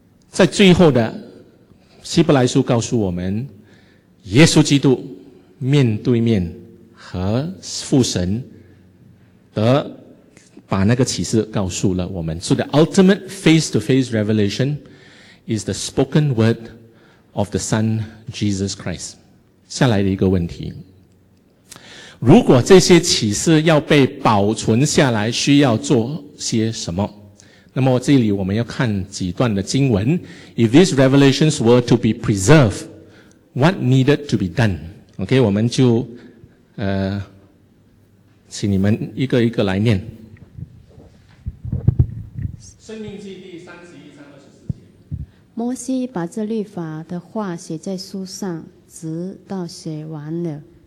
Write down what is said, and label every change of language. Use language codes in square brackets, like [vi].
[zh] 在最后的希伯来书告诉我们，耶稣基督面对面和父神得把那个启示告诉了我们。 [en] So the ultimate face-to-face revelation is the spoken word of the Son Jesus Christ。 [zh] 下来的一个问题，如果这些启示要被保存下来，需要做些什么？那么这里我们要看几段的经文。 [en] If these revelations were to be preserved, what needed to be done? [zh] OK, 我们就请你们一个一个来念。生命记第31章24节。摩西把这律法的话写在书上，直到写完了。